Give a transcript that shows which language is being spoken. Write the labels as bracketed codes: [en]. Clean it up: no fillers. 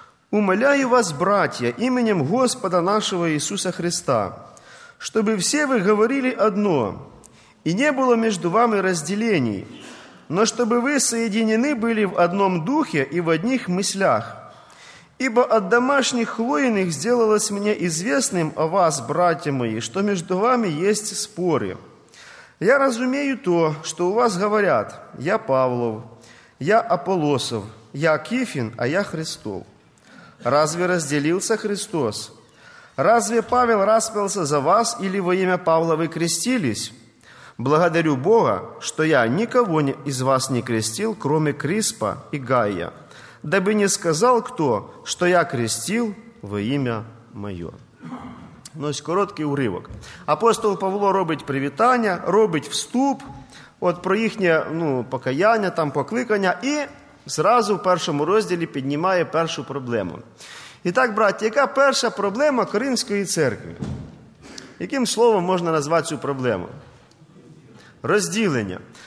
[uk] «Умоляю вас, браття, іменем Господа нашого Ісуса Христа, щоби всі ви говорили одно, і не було між вами розділений, но щоби ви соєдінені були в одном духі і в одних мислях. [ru] Ибо от домашних хлоїних сделалось мне известным о вас, братья мои, что между вами есть споры. Я разумею то, что у вас говорят, я Павлов, я Аполосов, я Кифин, а я Христов. Разве разделился Христос? Разве Павел распялся за вас или во имя Павла вы крестились? Благодарю Бога, что я никого из вас не крестил, кроме Криспа и Гая. Дабы не сказал кто, что я крестил во имя мое». [uk] Ось короткий уривок. Апостол Павло робить привітання, робить вступ, про їхнє покаяння, там покликання, і зразу в першому розділі піднімає першу проблему. І так, браття, яка перша проблема Коринської церкви? Яким словом можна назвати цю проблему? Розділення.